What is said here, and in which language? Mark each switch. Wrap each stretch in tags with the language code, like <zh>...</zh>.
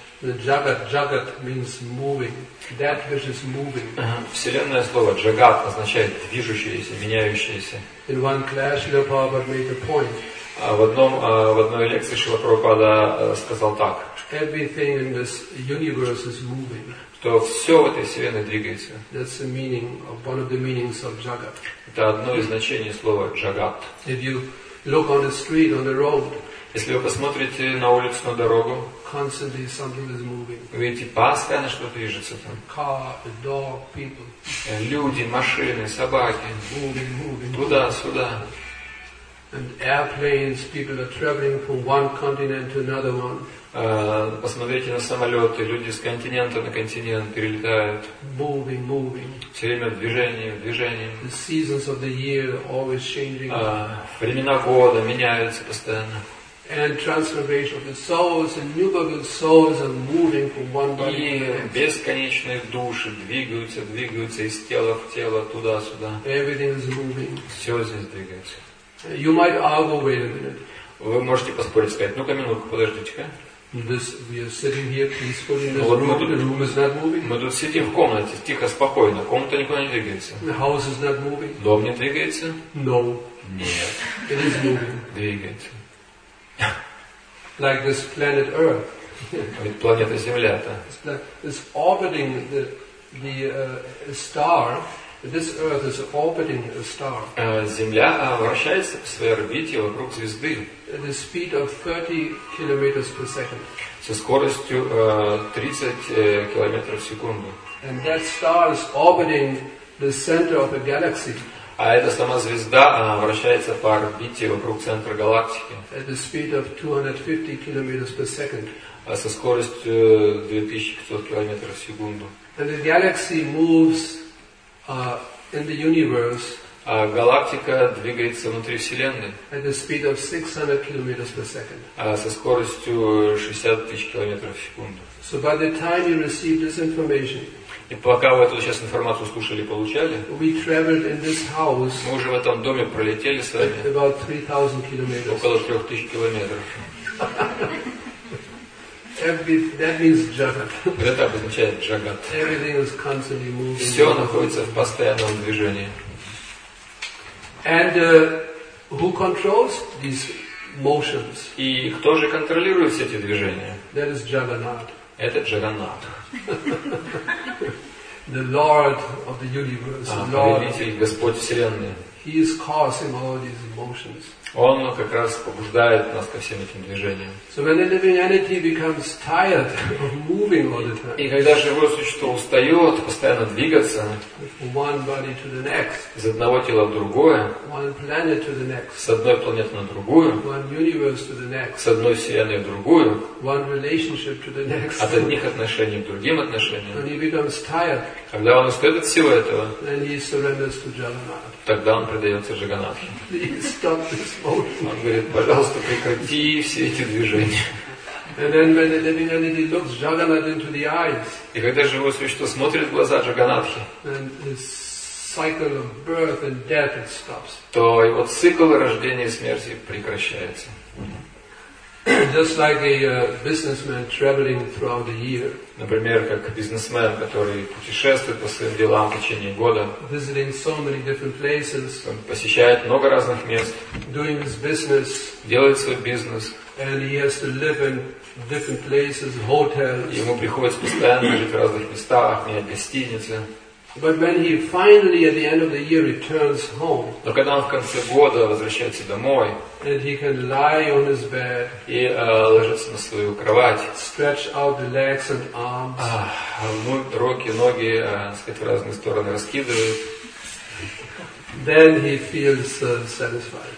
<en>The jagat means moving. That which is moving.</en> <ru>Вселенное слово jagat означает движущееся, меняющееся.</ru> <en>In one class, Srila Prabhupada made a point.</en> <ru>В одной лекции Шрила Прабхупада сказал так.</ru> <en>Everything in this universe is moving.</en> <ru>Что все в этой вселенной двигается.</ru> <en>That's the meaning of one of the meanings of jagat.</en> <ru>Это одно из значений слова jagat.</ru> <en>If you look on the street, on the road.</en> <ru>Если вы посмотрите на улицу, на дорогу.</ru> <en>Constantly something is moving.</en> <ru>Видите, постоянно что-то движется там.</ru> <en>Car, dog, people.</en> <ru>Люди, машины, собаки.</ru> <en>Moving.</en> <ru>Туда-сюда.</ru> <en>And airplanes, people are traveling from one continent to another one.</en> <ru>Посмотрите на самолеты, люди с континента на континент перелетают.</ru> <en>Moving.</en> <ru>Все время движение.</ru> <en>The seasons of the year are always changing.</en> <ru>Времена года меняются постоянно.</ru> <en>And transformation of the souls and new birth souls are moving from one body to the next.</en> <ru>И бесконечные души двигаются из тела в тело туда-сюда.</ru> <en>Everything is moving.</en> <ru>Все здесь двигается.</ru> <en>You might argue, wait a minute.</en> <ru>Вы можете поспорить, сказать, ну-ка минутку, подождите-ка.</ru> <en>This, we are sitting here peacefully in this room. The room is not moving.</en> <ru>Мы тут сидим в комнате тихо, спокойно. Комната никуда не двигается.</ru> <en>The house is not moving.</en> <ru>Дом не двигается?</ru> <en>No.</en> <ru>Нет.</ru> <en>It is moving.</en> <ru>Двигается.</ru> <en>Like this planet Earth.</en> <ru>Ведь планета Земля-то.</ru> <en>It's orbiting the star. This Earth is orbiting a star.</en> <ru>Земля вращается в своей орбите вокруг звезды.</ru> <en>At a speed of 30 kilometers per second.</en> <ru>Со скоростью 30 километров в секунду.</ru> <en>And that star is orbiting the center of a galaxy.</en> <ru>А эта сама звезда, она вращается по орбите вокруг центра галактики.</ru> <en>At a speed of 250 kilometers per second.</en> <ru>А со скоростью 2500 километров в секунду.</ru> <en>And the galaxy moves in the universe.</en> <ru>А галактика двигается внутри Вселенной.</ru> <en>At a speed of 600 kilometers per second.</en> <ru>А со скоростью 60 тысяч километров в секунду.</ru> <en>So by the time you receive this information.</en> <ru>И пока вы эту сейчас информацию слушали и получали,</ru> <en>we traveled in this house,</en> <ru>мы уже в этом доме пролетели с вами</ru> <en>about 3000 kilometers.</en> <ru>Около 3000 километров.</ru> <en>That means jagat.</en> <ru>Это обозначает джагат.</ru> <en>Everything is constantly moving.</en> <ru>Все находится в постоянном движении.</ru> <en>And who controls these motions?</en> <ru>И кто же контролирует все эти движения?</ru> <en>That is Jagannath.</en> <ru>Это Джагат.</ru> <en>The Lord of the universe.</en> <ru>Повелитель, Господь Вселенной.</ru> <en>He is causing all these motions.</en> <ru>Он как раз побуждает нас ко всем этим движениям.</ru> <en>So when a living entity becomes tired of moving all the time.</en> <ru>И когда живое существо устает постоянно двигаться.</ru> <en>From one body to the next.</en> <ru>Из одного тела в другое.</ru> <en>One planet to the next.</en> <ru>С одной планеты на другую.</ru> <en>One universe to the next.</en> <ru>С одной вселенной в другую.</ru> <en>One relationship to the next.</en> <ru>От одних отношений к другим отношениям.</ru> <en>When he becomes tired.</en> <ru>Когда он устает от всего этого.</ru> <en>Then he surrenders to Jagannath.</en> <ru>Тогда он предается Джаганатхе.</ru> <en>Please stop this.</en> <ru>Он говорит, пожалуйста, прекрати все эти движения.</ru> <en>And then when the living entity looks Jagannath into the eyes.</en> <ru>И когда живое существо смотрит в глаза Джаганатхи,</ru> <en>and this cycle of birth and death it stops.</en> <ru>То его цикл рождения и смерти прекращается.</ru> <en>Just like a businessman traveling throughout the year.</en> <ru>Например, как бизнесмен, который путешествует по своим делам в течение года.</ru> <en>Visiting so many different places.</en> <ru>Он посещает много разных мест.</ru> <en>Doing his business.</en> <ru>Делает свой бизнес.</ru> <en>And he has to live in different places, hotels.</en> <ru>Ему приходится постоянно жить в разных местах, менять гостиницы.</ru> <en>But when he finally, at the end of the year, returns home,</en> <ru>но когда он в конце года возвращается домой,</ru> <en>and he can lie on his bed,</en> <ru>и ложится на свою кровать,</ru> <en>stretch out the legs and arms,</en> <ru>руки, ноги, сказать, в разные стороны раскидывает,</ru> <en>then he feels satisfied.</en>